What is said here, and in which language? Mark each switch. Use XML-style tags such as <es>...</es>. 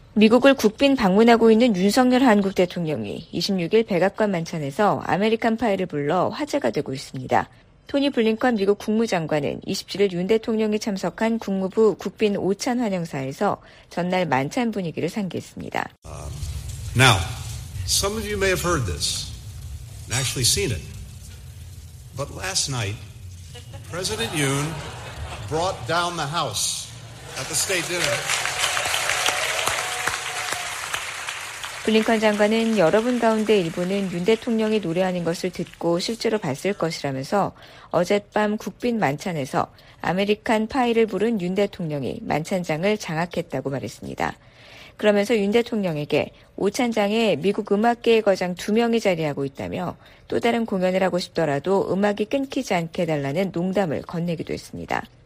<ko>미국을 국빈 방문하고 있는 윤석열 한국 대통령이 26일 백악관 만찬에서 아메리칸 파이를 불러 화제가 되고 있습니다. 토니 블링컨 미국 국무장관은 27일 윤 대통령이 참석한 국무부 국빈 오찬 환영사에서 전날 만찬 분위기를 상기했습니다.</ko> <en>Now, some of you may have heard this and actually seen it. But last night, President Yoon brought down the house at the state dinner.</en> <ko>블링컨 장관은 여러분 가운데 일부는 윤 대통령이 노래하는 것을 듣고 실제로 봤을 것이라면서 어젯밤 국빈 만찬에서 아메리칸 파이를 부른 윤 대통령이 만찬장을 장악했다고 말했습니다. 그러면서 윤 대통령에게 오찬장에 미국 음악계의 거장 두 명이 자리하고 있다며 또 다른 공연을 하고 싶더라도 음악이 끊기지 않게 해달라는 농담을 건네기도 했습니다.</ko>